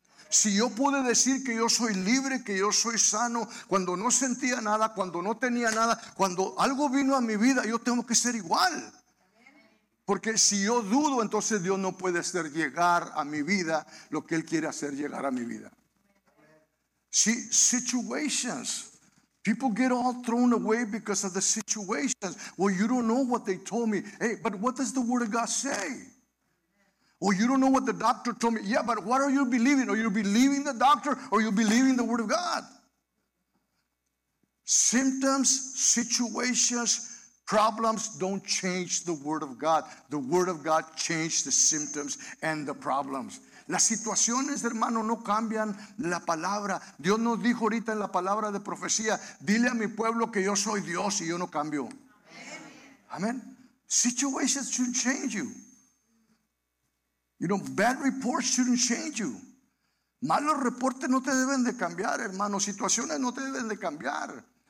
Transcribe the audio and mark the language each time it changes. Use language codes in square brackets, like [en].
[es] Si yo pude decir que yo soy libre, que yo soy sano, cuando no sentía nada, cuando no tenía nada, cuando algo vino a mi vida, yo tengo que ser igual. Porque si yo dudo, entonces Dios no puede hacer llegar a mi vida lo que Él quiere hacer llegar a mi vida. [en] See, situations. People get all thrown away because of the situations. Well, you don't know what they told me. Hey, but what does the Word of God say? Well, you don't know what the doctor told me. Yeah, but what are you believing? Are you believing the doctor or are you believing the Word of God? Symptoms, situations, problems don't change the word of God. The word of God changes the symptoms and the problems. [es] Las situaciones, hermano, no cambian la palabra. Dios nos dijo ahorita en la palabra de profecía, dile a mi pueblo que yo soy Dios y yo no cambio. [en] Amen. Situations shouldn't change you. You know, bad reports shouldn't change you. [es] Malos reportes no te deben de cambiar, hermano. Situaciones no te deben de cambiar.